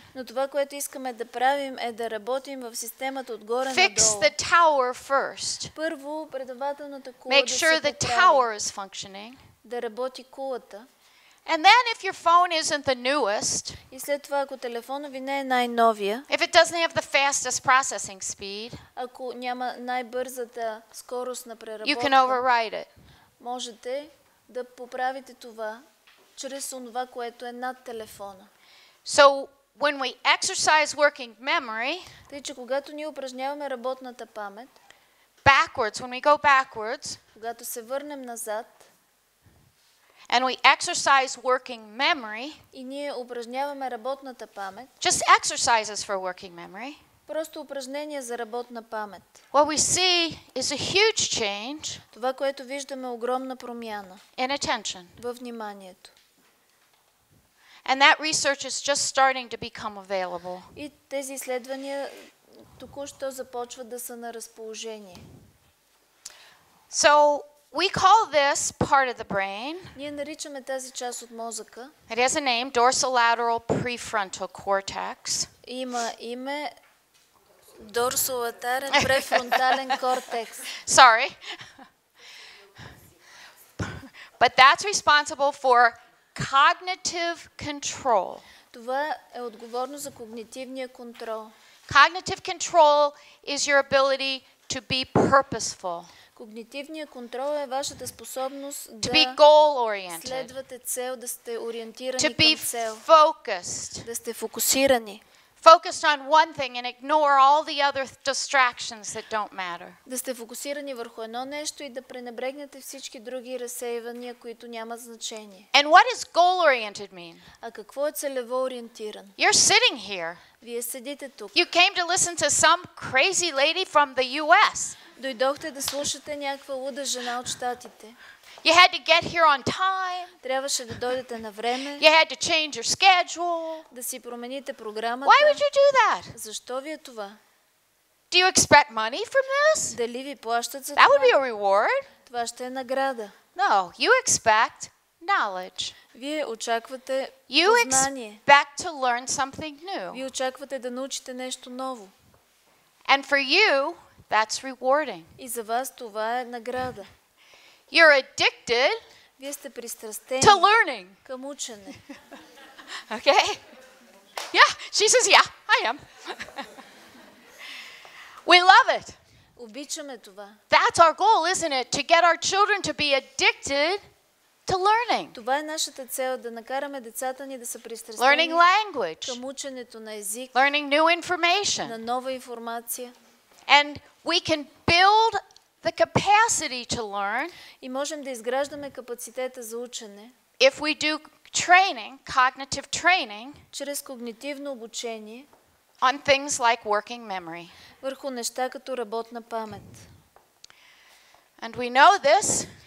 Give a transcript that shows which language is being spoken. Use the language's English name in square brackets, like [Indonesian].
[Bulgarian] Но това, което искаме да правим, е да работим в системата отгоре надолу. [English] Fix the tower first. [Bulgarian] Първо предавателната кула да се поправи. [English] Make sure the tower is functioning. [Bulgarian] Да работи кулата. [English] And then if your phone isn't the newest, [Bulgarian] и след това, ако телефонът ви не е най-новия, [English] if it doesn't have the fastest processing speed, [Bulgarian] ако няма най-бързата скорост на преработка, [English] you can override it. [Bulgarian] Можете да поправите това чрез онова, което е над телефона. [English] So when we exercise working memory, [Bulgarian] тъй че когато ние упражняваме работната памет, [English] backwards, when we go backwards, [Bulgarian] когато се върнем назад, [English] and we exercise working memory, [Bulgarian] и ние упражняваме работната памет, [English] just exercises for working memory, [Bulgarian] просто упражнения за работна памет, [English] what we see is a huge change, [Bulgarian] това, което виждаме, е огромна промяна [English] in attention, [Bulgarian] във вниманието. [English] And that research is just starting to become available. [Bulgarian] И тези изследвания току-що започват да са на разположение. [English] So we call this part of the brain. [Bulgarian] Ние наричаме тази част от мозъка. [English] It has a name, dorsolateral prefrontal cortex. [Bulgarian] Има име дорсолатерен префронтален кортекс. [English] Sorry. But that's responsible for cognitive control. [Bulgarian] Това е отговорно за когнитивния контрол. [English] Cognitive control is your ability to be purposeful. [Bulgarian] Когнитивният контрол е вашата способност [English] to be goal-oriented. [Bulgarian] Следвате цел, да сте ориентирани [English] to [Bulgarian] към цел. [English] To be focused. [Bulgarian] Да сте фокусирани. [English] Focused on one thing and ignore all the other distractions that don't matter. [Bulgarian] Да сте фокусирани върху едно нещо и да пренебрегнете всички други разсейвания, които няма значение. [English] And what is goal oriented mean? [Bulgarian] А какво е целево ориентиран? [English] You're sitting here. [Bulgarian] Вие седите тук. [English] You came to listen to some crazy lady from the US. [Bulgarian] Дойдохте да слушате някаква луда жена от Щатите. [English] You had to get here on time. [Bulgarian] Трябваше да дойдете на време. [English] You had to change your schedule. [Bulgarian] Да си промените програмата. [English] Why would you do that? [Bulgarian] Защо ви е това? [English] Do you expect money from this? [Bulgarian] Дали ви плащат за това? [English] That would be a reward. [Bulgarian] Това ще е награда. [English] No, you expect knowledge. [Bulgarian] Вие очаквате познание. [English] You expect to learn something new. [Bulgarian] Вие очаквате да научите нещо ново. [English] And for you, that's rewarding. [Bulgarian] И за вас това е награда. [English] You're addicted. [Bulgarian] Вие сте пристрастени [English] to learning. [Bulgarian] Към учене. [English] Okay? Yeah, she says, yeah, I am. We love it. [Bulgarian] Обичаме това. [English] That's our goal, isn't it? To get our children to be addicted to learning. [Bulgarian] Това е нашата цел, да накараме децата ни да са пристрастени. [English] Learning language. [Bulgarian] Към ученето на език. [English] Learning new information. [Bulgarian] На нова информация. [English] And we can build the capacity to learn. [Bulgarian] И можем да изграждаме капацитета за учене. [English] If we do training, cognitive training, [Bulgarian] чрез когнитивно обучение, [English] on things like working memory, [Bulgarian] върху неща като работна памет. [English] And we know this.